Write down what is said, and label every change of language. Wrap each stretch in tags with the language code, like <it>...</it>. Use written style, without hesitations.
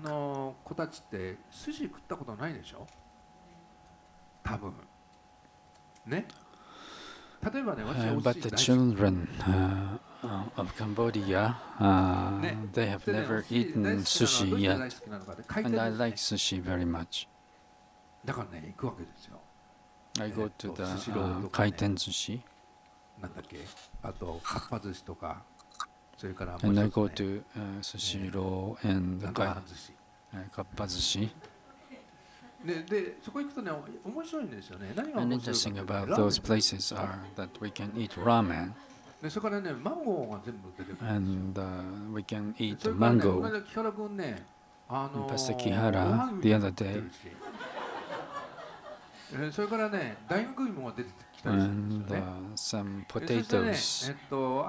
<ja>カンボジアの子たちって寿司食ったことないでしょ？多分。ね？</ja> <en>But the children of Cambodia, they have never eaten sushi yet, and I like sushi very much. I go to the kaiten sushi, and I go to sushiro and kappa sushi.</en> <ja>でそこ行くとね面白いんですよね。何が面白いか。</ja> <en>Interesting about those places are that we can eat ramen.</en> <ja>でそこからねマンゴーが全部出てくるんですよ。</ja> <en>And we can eat mango.</en> <ja>それからね、キハラ君ね、</ja> <en>Pastor Kihara the other day.</en> <ja>それからね大学芋が出てきたりするんですよね。</ja> <en>And some potatoes.</en>